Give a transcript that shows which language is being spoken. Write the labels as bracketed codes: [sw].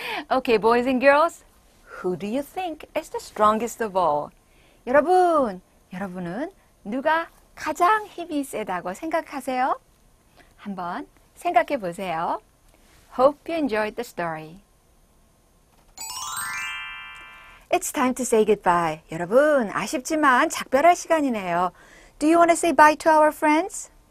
[en] Okay, boys and girls, who do you think is the strongest of all? [ko] 여러분, 여러분은 누가 가장 힘이 세다고 생각하세요? 한번 생각해 보세요. [en] Hope you enjoyed the story. It's time to say goodbye. [ko] 여러분, 아쉽지만 작별할 시간이네요. [en] Do you want to say bye to our friends?